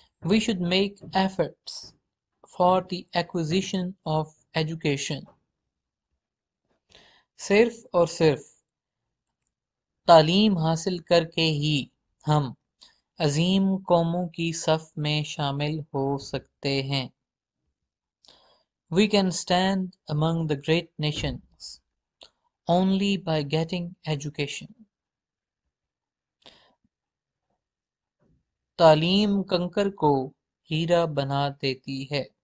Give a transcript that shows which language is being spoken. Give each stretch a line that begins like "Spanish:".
English: We should make efforts for the acquisition of education.
Urdu: صرف اور صرف تعلیم حاصل کر کے ہی ہم عظیم قوموں کی صف میں شامل ہو سکتے ہیں.
English: We can stand among the great nations only by getting education.
Urdu: تعلیم کنکر کو ہیرا بنا دیتی ہے.